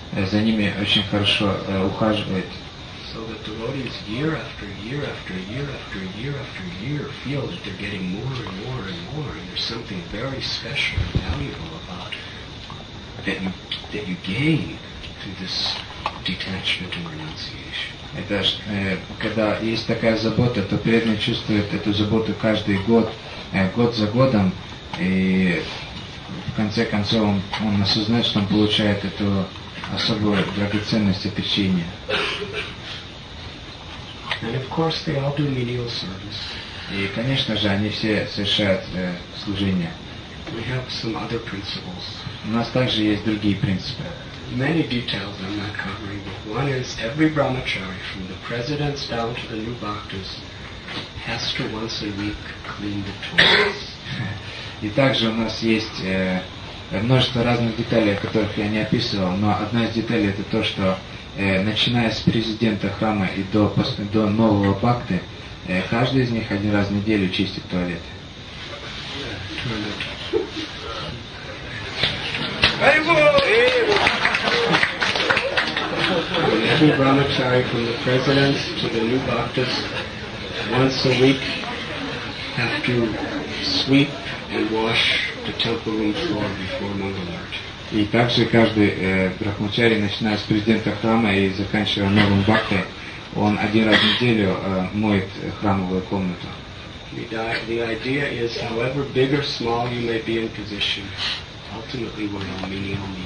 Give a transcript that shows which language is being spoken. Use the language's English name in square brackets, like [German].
[Russian] За ними очень хорошо ухаживает. [English] So that devotees year after year after year after year after year feel that they're getting more and more and more, and there's something very special and valuable about that you gain through this detachment and renunciation. [Russian] Это когда есть такая забота, то преданный чувствует эту заботу каждый год, год за годом, и в конце концов он осознает, что он получает эту особую драгоценность отречения. [English] And of course they all do menial service. [Russian] И, конечно же, они все совершают служение. [English] We have some other principles. [Russian] У нас также есть другие принципы. [English] Many details I'm not covering, but one is every brahmachari, from the presidents down to the new bhaktas, has to once a week clean the toilets. [Russian] И также у нас есть множество разных деталей, о которых я не описывал, но одна из деталей это то, что начиная с президента храма и до нового бхакты, каждый из них один раз в неделю чистит туалет. [English] Every brahmachari from the presidents to the new bhaktas once a week have to sweep and wash the temple room floor before Mangalarti. [Russian] И также каждый брахмачари, начиная с президента храма и заканчивая новым бхактой, он один раз в неделю моет храмовую комнату. [English] The idea is, however big or small you may be in position, ultimately we're all menial